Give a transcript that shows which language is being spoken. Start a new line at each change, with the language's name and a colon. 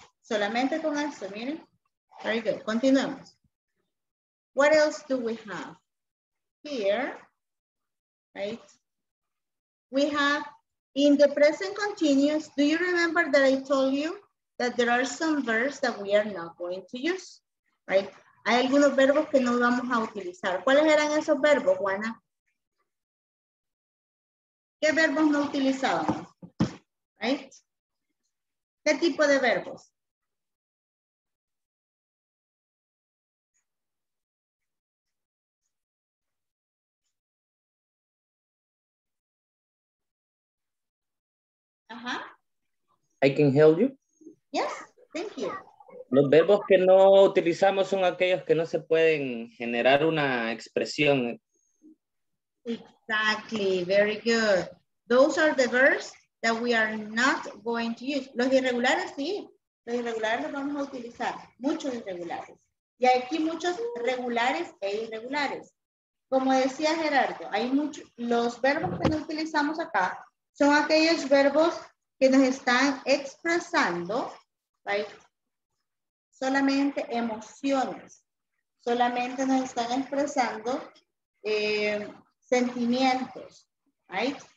Spanish: Solamente con eso, miren.
English: Very good,
Spanish: continuemos.
English: What else do we have here, right? We have in the present continuous, do you remember that I told you that there are some verbs that we are not going to use, right?
Spanish: Hay algunos verbos que no vamos a utilizar. ¿Cuáles eran esos verbos, Juana? ¿Qué verbos no utilizábamos, right? ¿Qué tipo de verbos?
English: Uh-huh. I can help you. Yes, thank you.
Spanish: Los verbos que no utilizamos son aquellos que no se pueden generar una expresión.
English: Exactly, very good. Those are the verbs that we are not going to use.
Spanish: Los irregulares, sí. Los irregulares los vamos a utilizar. Muchos irregulares. Y aquí muchos regulares e irregulares. Como decía Gerardo, hay muchos. Los verbos que no utilizamos acá son aquellos verbos que nos están expresando, right, solamente emociones, solamente nos están expresando sentimientos, right?